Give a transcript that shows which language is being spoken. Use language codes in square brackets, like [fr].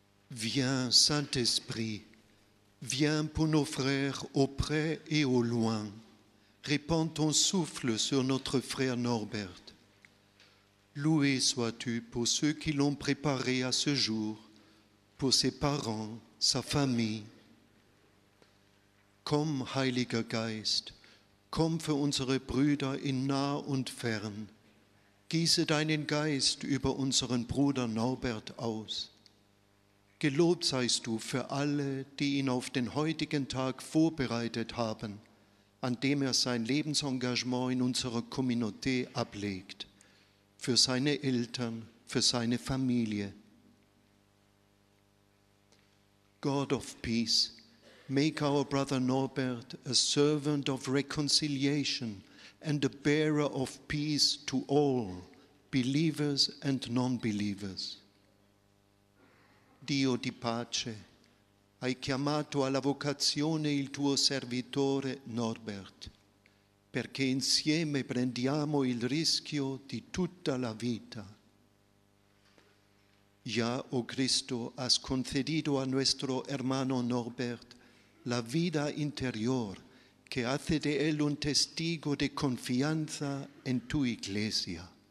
[fr] Viens, Saint-Esprit, viens pour nos frères au près et au loin. Répands ton souffle sur notre frère Norbert. Loué sois-tu pour ceux qui l'ont préparé à ce jour, pour ses parents, sa famille. [de] Komm, Heiliger Geist, komm für unsere Brüder in nah und fern. Gieße deinen Geist über unseren Bruder Norbert aus. Gelobt seist du für alle, die ihn auf den heutigen Tag vorbereitet haben, an dem er sein Lebensengagement in unserer Communauté ablegt, für seine Eltern, für seine Familie. [en] God of peace, make our brother Norbert a servant of reconciliation and a bearer of peace to all, believers and non-believers. [it] Dio di pace, hai chiamato alla vocazione il tuo servitore Norbert, perché insieme prendiamo il rischio di tutta la vita. [es] Ya, oh Cristo, has concedido a nuestro hermano Norbert la vida interior que hace de él un testigo de confianza en tu Iglesia.